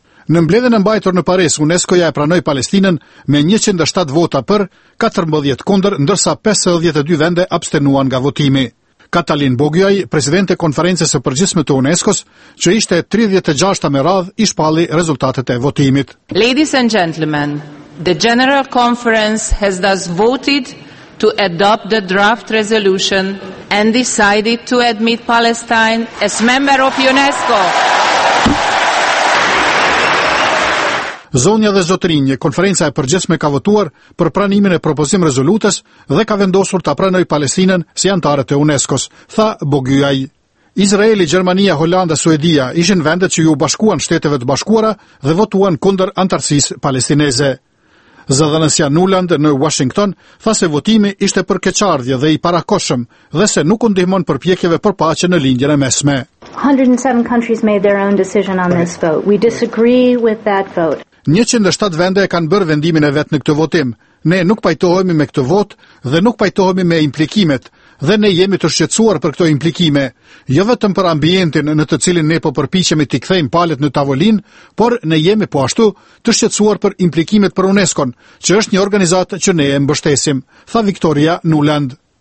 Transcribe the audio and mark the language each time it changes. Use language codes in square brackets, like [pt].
[sq] Në mbledhjen e mbajtur në Paris, UNESCO-ja e pranoi Palestinën me 107 vota për, 14 kundër, ndërsa 52 vende abstenuan nga votimi. Katalin Bogjaj, president e konferencës së përgjithshme të UNESCO-s, që ishte 36-ta me radhë, i shpalli rezultatet e votimit. [en] Ladies and gentlemen, the General Conference has thus voted to adopt the draft resolution and decided to admit Palestine as member of UNESCO. [sq] Zonja dhe zotrinje, konferenca e përgjithshme ka votuar për pranimin e propozim rezolutës dhe ka vendosur ta pranoj Palestinën si antare të UNESCO-s, tha Bogjaj. Izraeli, Gjermania, Holanda, Suedia ishin vendet që ju bashkuan Shteteve të Bashkuara dhe votuan kundër antarësisë palestineze. Zëdhënësja Nuland në Washington tha se votimi ishte për keqardhje dhe i parakoshëm dhe se nuk u ndihmon përpjekjeve për paqe në lindjen e mesme. [en] 107 countries made their own decision on this vote. We disagree with that vote. [sq] 107 vende e kanë bërë vendimin e vet në këtë votim. Ne nuk pajtohemi me këtë vot dhe nuk pajtohemi me implikimet dhe ne jemi të shqetësuar për këto implikime, jo vetëm për ambientin në të cilin ne po përpiqemi t'i kthejmë palët në tavolinë, por ne jemi po ashtu të shqetësuar për implikimet për UNESCO-n, që është një organizatë që ne e mbështesim, tha Victoria Nuland.